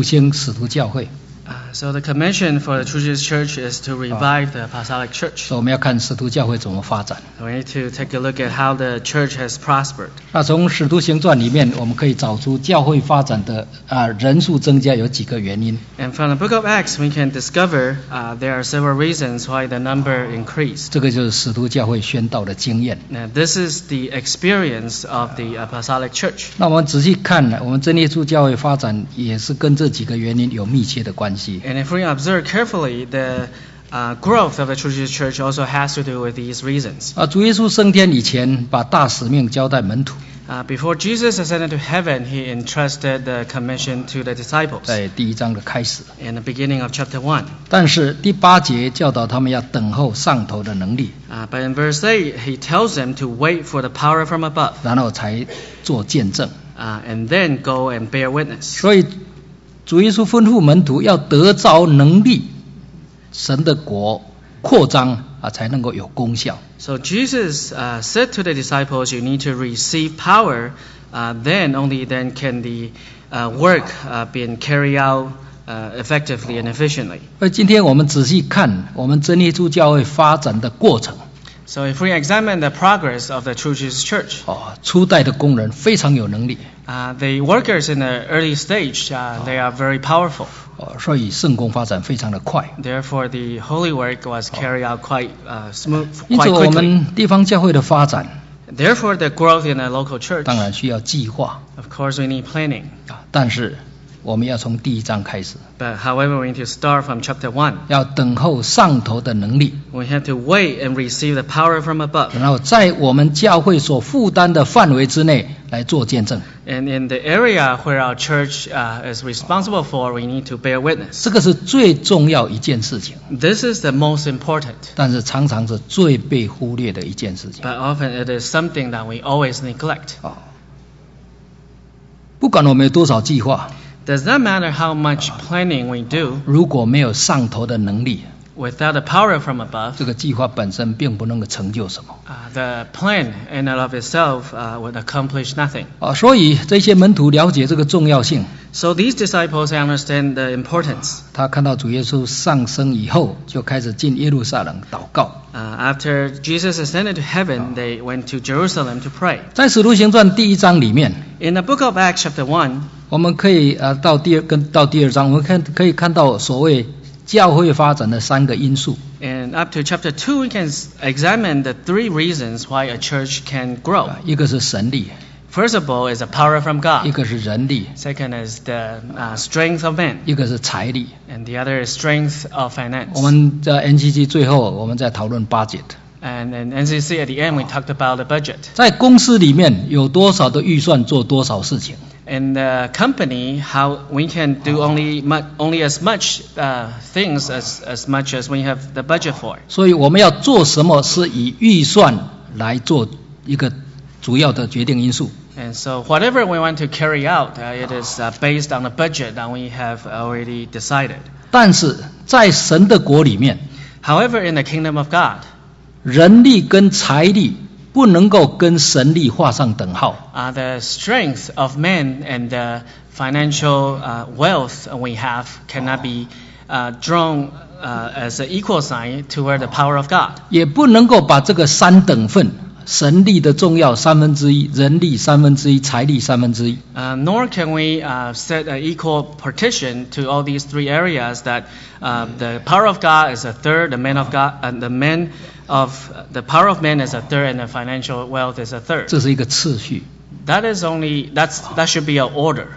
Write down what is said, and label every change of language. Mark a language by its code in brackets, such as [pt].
[en] the commission for the True Jesus Church is to revive the Apostolic Church. So we need to take a look at how the church has prospered. [zh] 那从使徒行传里面，我们可以找出教会发展的人数增加有几个原因。 [en] And from the Book of Acts, we can discover there are several reasons why the number increased. [zh] 这个就是使徒教会宣道的经验。 [en] Now this is the experience of the Apostolic Church. [zh] 那我们仔细看，我们真耶稣教会发展也是跟这几个原因有密切的关系。 [en] And if we observe carefully, the growth of the True Jesus Church also has to do with these reasons. [zh] 主耶稣升天以前，把大使命交代门徒。 [en] Before Jesus ascended to heaven, he entrusted the commission to the disciples. [zh] 在第一章的开始。 [en] In the beginning of chapter 1. [zh] 但是第八节教导他们要等候上头的能力。 [en] But in verse 8, he tells them to wait for the power from above. [zh] 然后才做见证。 [en] And then go and bear witness. [zh] 所以主耶稣吩咐门徒要得着能力，神的国扩张才能够有功效。 [en] So Jesus said to the disciples, "You need to receive power, then only then can the work being carried out effectively and efficiently." [zh] 今天我们仔细看我们真耶稣教会发展的过程。 [en] So if we examine the progress of the True Jesus Church, [zh] 初代的工人非常有能力。 [en] The workers in the early stage, they are very powerful. [zh] 所以圣工发展非常的快。 [en] Therefore, the holy work was carried out quite quickly. [zh] 因此我们地方教会的发展。 [en] Therefore, the growth in the local church. [zh] 当然需要计划。 [en] Of course, we need planning. [zh] 但是我们要从第一章开始。 [en] But however, we need to start from chapter 1. [zh] 要等候上头的能力。 [en] We have to wait and receive the power from above. [zh] 然后在我们教会所负担的范围之内来做见证。 [en] And in the area where our church is responsible for, we need to bear witness. [zh] 这个是最重要一件事情。 [en] This is the most important. [zh] 但是常常是最被忽略的一件事情。 [en] But often it is something that we always neglect. [zh] 不管我们有多少计划。 [en] Does that matter how much planning we do? [zh] 如果没有上头的能力， [en] without the power from above, [zh] 这个计划本身并不能够成就什么。 [en] The plan in and of itself would accomplish nothing. [zh] 所以这些门徒了解这个重要性。 [en] So these disciples understand the importance. [zh] 他看到主耶稣上升以后，就开始进耶路撒冷祷告。 [en] After Jesus ascended to heaven, they went to Jerusalem to pray. [zh] 在使徒行传第一章里面， [en] in the book of Acts chapter 1, [zh] 我们可以到第二章，我们可以看到所谓教会发展的三个因素。 [en] And up to chapter 2, we can examine the three reasons why a church can grow. [zh] 一个是神力。 [en] First of all, is the power from God. [zh] 一个是人力。 [en] Second is the strength of man. [zh] 一个是财力。 [en] And the other is strength of finance. [zh] 我们在 NCC 最后我们在讨论 budget. [en] And in NCC at the end, we talked about the budget. [zh] 在公司里面有多少的预算做多少事情。 [en] In the company, how we can do only as much things as much as we have the budget for. [zh] 所以我们要做什么是以预算来做一个主要的决定因素。 [en] And so whatever we want to carry out, it is based on the budget that we have already decided. [zh] 但是在神的国里面， [en] However, in the kingdom of God, [zh] 人力跟财力不能够跟神力画上等号。 [en] The strength of man and the financial wealth we have cannot be drawn as an equal sign to where the power of God. [zh] 也不能够把这个三等份，神力的重要三分之一，人力三分之一，财力三分之一。 [en] Nor can we set an equal partition to all these three areas that the power of God is a third, the man of God and the man of the power of man is a third, and the financial wealth is a third. [zh] 这是一个次序。 [en] That is only that should be an order.